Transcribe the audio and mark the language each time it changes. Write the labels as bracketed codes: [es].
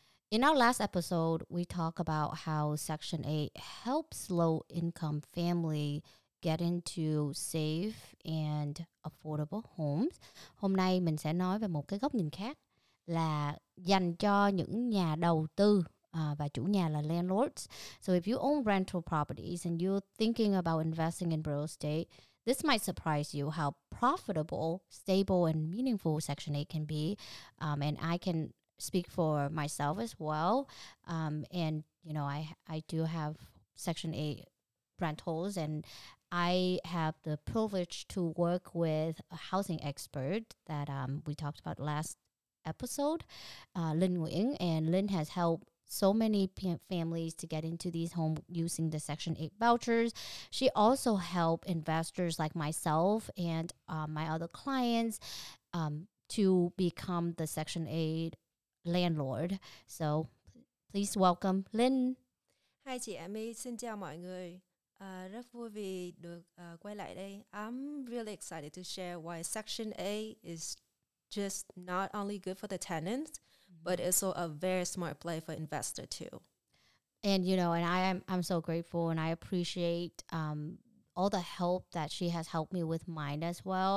[en] In our last episode, we talked about how Section 8 helps low-income family get into safe and affordable homes. [vi] Hôm nay mình sẽ nói về một cái góc nhìn khác là dành cho những nhà đầu tư và chủ nhà là landlords. [en] So if you own rental properties and you're thinking about investing in real estate, this might surprise you how profitable, stable, and meaningful Section 8 can be. And I can speak for myself as well. And, you know, I do have Section 8 rentals, and I have the privilege to work with a housing expert that we talked about last episode, Linh Nguyễn. And Linh has helped so many families to get into these homes using the Section 8 vouchers. She also helped investors like myself and my other clients to become the Section 8 landlord. So please welcome Linh. [vi] Hi chị Amy, xin chào mọi người. Rất vui vì được quay lại đây. [en] I'm really excited to share why Section 8 is just not only good for the tenants, but it's also a very smart play for investor too. And you know, and I'm so grateful, and I appreciate all the help that she has helped me with mine as well.